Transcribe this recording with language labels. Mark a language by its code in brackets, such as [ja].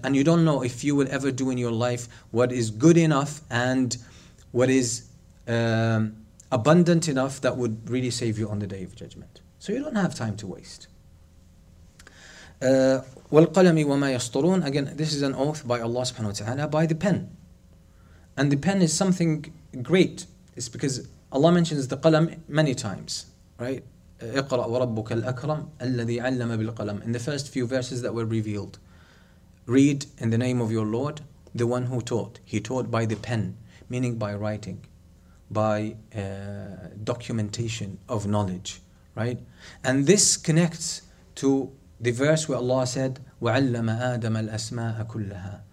[en] And you don't know if you will ever do in your life what is good enough and what is abundant enough that would really save you on the Day of Judgment. So you don't have time to waste. [ar] وَالْقَلَمِ وَمَا يَسْطُرُونَ. [en] Again, this is an oath by Allah subhanahu wa ta'ala, by the pen. And the pen is something great. It's because Allah mentions the qalam many times, right? [ar] اقرأ وربك الأكرم الذي علم بالقلم. [en] In the first few verses that were revealed, read in the name of your Lord, the one who taught. He taught by the pen, meaning by writing, by documentation of knowledge, right? And this connects to the verse where Allah said, [ar] وَعَلَّمَ آدَمَ الْأَسْمَاءَ كُلَّهَا.